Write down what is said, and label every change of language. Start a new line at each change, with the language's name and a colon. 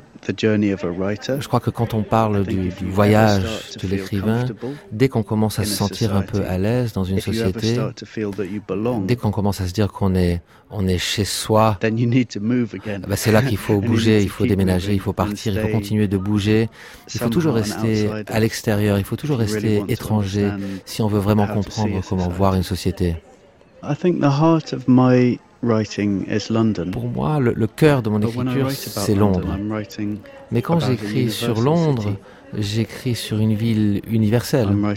French: Je crois que quand on parle du voyage de l'écrivain, dès qu'on commence à se sentir un peu à l'aise dans une société, dès qu'on commence à se dire qu'on est chez soi, bah c'est là qu'il faut bouger, il faut déménager, il faut partir, il faut continuer de bouger. Il faut toujours rester à l'extérieur, il faut toujours rester étranger si on veut vraiment comprendre comment voir une société.
English: I think the heart of my writing is London.
French: Pour moi, le cœur de mon écriture, c'est Londres. Mais quand j'écris sur Londres, j'écris sur une ville universelle.